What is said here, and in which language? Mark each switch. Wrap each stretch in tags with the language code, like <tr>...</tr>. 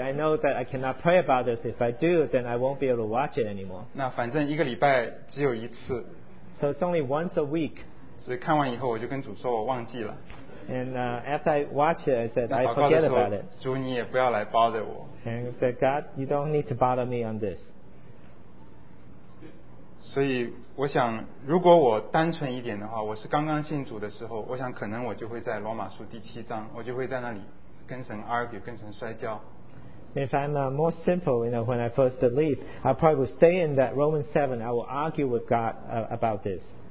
<en>I know that I cannot pray about this. If I do, then I won't be able to watch it anymore.</en> <zh>那反正一个礼拜只有一次。</zh> <en>So it's only once a week.</en> <zh>只看完以后，我就跟主说我忘记了。</zh> <en>And after I watch it, I said I forget about it.</en> <zh>主你也不要来bother我。</zh> <en>And said, God, you don't need to bother me on this.</en> <zh>所以我想，如果我单纯一点的话，我是刚刚信主的时候，我想可能我就会在罗马书第七章，我就会在那里。</zh> <en>If I'm more simple, you know, when I first believe, I probably will stay in that Romans 7. I will argue with God about this.</en>